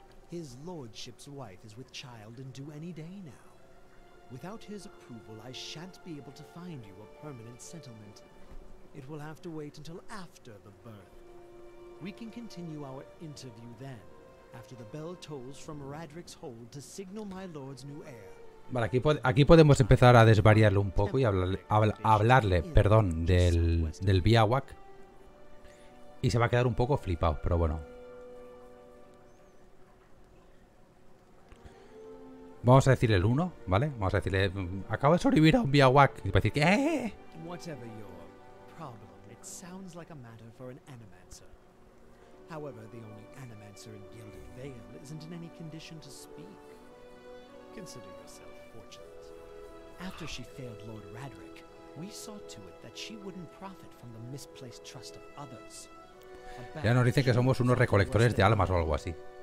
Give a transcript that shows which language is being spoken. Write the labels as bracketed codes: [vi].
[en] His lordship's wife is with child and due any day now. Without his approval, I shan't be able to find you a permanent settlement. It will have to wait until after the birth. We can continue our interview then, after the bell tolls from Radric's hold to signal my lord's new heir. [es] Vale, aquí podemos empezar a desvariarlo un poco y hablarle, perdón, del Biawak. Y se va a quedar un poco flipado, pero bueno. Vamos a decirle el 1, ¿vale? Vamos a decirle, acabo de sobrevivir a un Biawak. Y va a decir, ¿qué? [en] Whatever your problem, it sounds like a matter for an animancer. However, the only animancer in Gilded Vale isn't in any condition to speak. Consider yourself fortunate. After she failed Lord Radric, we saw to it that she wouldn't profit from the misplaced trust of others. [es] Ya nos dicen que somos unos recolectores de almas o algo así.